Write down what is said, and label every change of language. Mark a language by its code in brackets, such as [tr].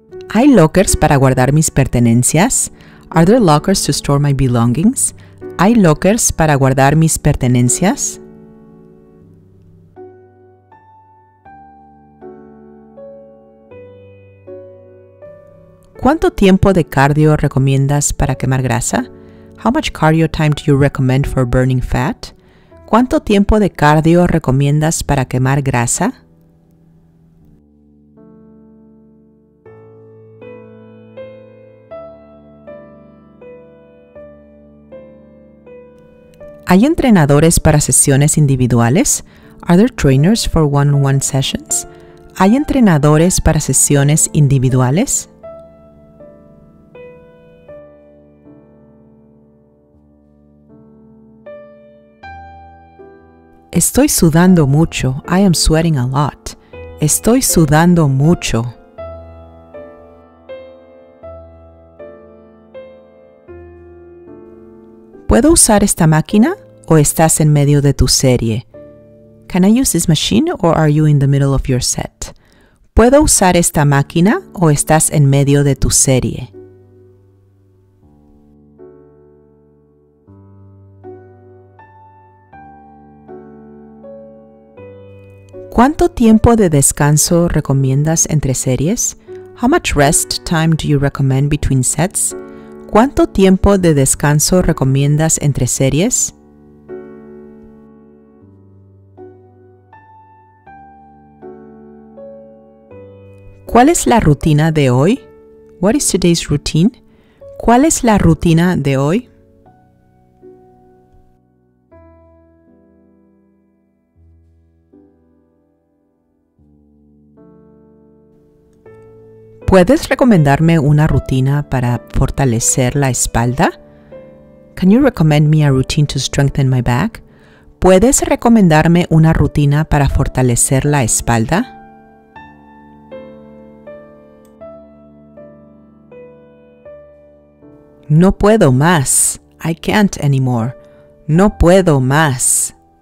[es] ¿Hay lockers para guardar mis pertenencias? [en] Are there lockers to store my belongings? [es] ¿Hay lockers para guardar mis pertenencias? ¿Cuánto tiempo de cardio recomiendas para quemar grasa? [en] How much cardio time do you recommend for burning fat? [es] ¿Cuánto tiempo de cardio recomiendas para quemar grasa? ¿Hay entrenadores para sesiones individuales? [en] Are there trainers for one-on-one sessions? [es] ¿Hay entrenadores para sesiones individuales? Estoy sudando mucho. [en] I am sweating a lot. [es] Estoy sudando mucho. ¿Puedo usar esta máquina o estás en medio de tu serie? [en] Can I use this machine or are you in the middle of your set? [es] ¿Puedo usar esta máquina o estás en medio de tu serie? ¿Cuánto tiempo de descanso recomiendas entre series? [en] How much rest time do you recommend between sets? [es] ¿Cuánto tiempo de descanso recomiendas entre series? ¿Cuál es la rutina de hoy? [en] What is today's routine? [es] ¿Cuál es la rutina de hoy? ¿Puedes recomendarme una rutina para fortalecer la espalda? [en] Can you recommend me a routine to strengthen my back? [es] ¿Puedes recomendarme una rutina para fortalecer la espalda? No puedo más. [en] I can't anymore. [es] No puedo más.